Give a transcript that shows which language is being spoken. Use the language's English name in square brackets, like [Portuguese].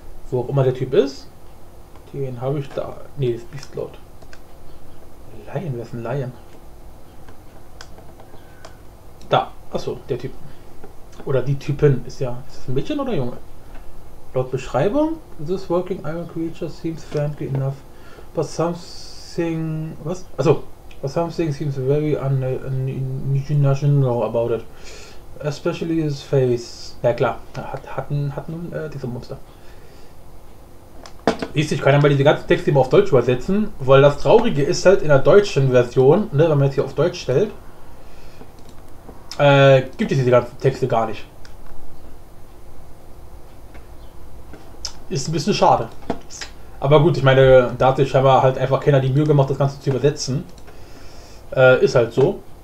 [German] Wo auch immer der Typ ist. Den habe ich da. Ne, das ist Beastlord. Lion, wer ist ein Lion? Da. Achso, der Typ. Oder die Typin ist ja. Ist das ein Mädchen oder ein Junge? Laut Beschreibung. [English] This working iron creature seems friendly enough. But something. [German] Was? Achso. [English] But something seems very unimaginable about it. Especially his face. [German] Ja klar, hatten diese Monster. Siehst du, ich kann ja mal diese ganzen Texte immer auf Deutsch übersetzen, weil das Traurige ist halt in der deutschen Version, ne, wenn man es hier auf Deutsch stellt, gibt es diese ganzen Texte gar nicht. Ist ein bisschen schade. Aber gut, ich meine, da hat sich scheinbar halt einfach keiner die Mühe gemacht, das Ganze zu übersetzen. Ist halt so.